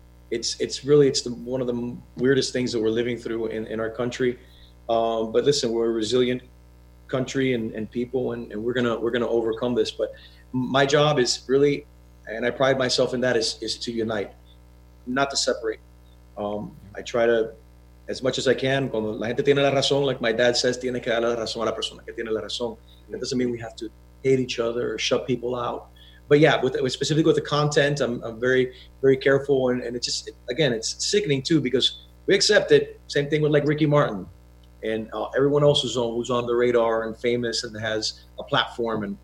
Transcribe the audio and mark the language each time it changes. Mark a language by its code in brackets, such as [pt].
[en] It's really one of the weirdest things that we're living through in our country. But listen, we're a resilient country and people, and we're gonna overcome this. But my job is really, and I pride myself in that, is to unite, not to separate. I try to, as much as I can, [es] cuando la gente tiene la razón, [en] like my dad says, [es] tiene que dar la razón a la persona que tiene la razón. [en] That doesn't mean we have to hate each other or shut people out. But yeah, specifically with the content, I'm very, very careful. And it's just, again, it's sickening too, because we accept it. Same thing with like Ricky Martin and everyone else who's on the radar and famous and has a platform.